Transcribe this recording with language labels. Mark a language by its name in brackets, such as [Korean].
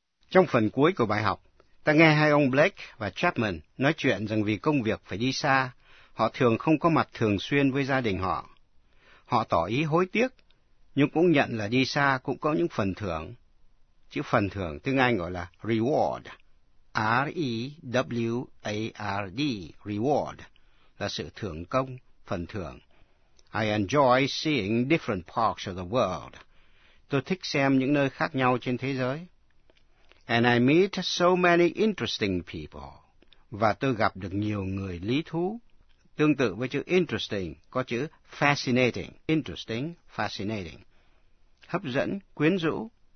[Vietnamese] Trong phần cuối của bài học, ta nghe hai ông Blake và Chapman nói chuyện rằng vì công việc phải đi xa, họ thường không có mặt thường xuyên với gia đình họ. Họ tỏ ý hối tiếc, nhưng cũng nhận là đi xa cũng có những phần thưởng. Chữ phần thưởng tiếng Anh gọi là reward, R-E-W-A-R-D, reward, là sự thưởng công, phần thưởng. [English] I enjoy seeing different parts of the world. [Vietnamese] Tôi thích xem những nơi khác nhau trên thế giới. [English] And I meet so many interesting people. [Vietnamese] Và tôi gặp được nhiều người lý thú. Tương tự với chữ interesting, có chữ fascinating. Interesting, fascinating. Hấp dẫn, quyến rũ.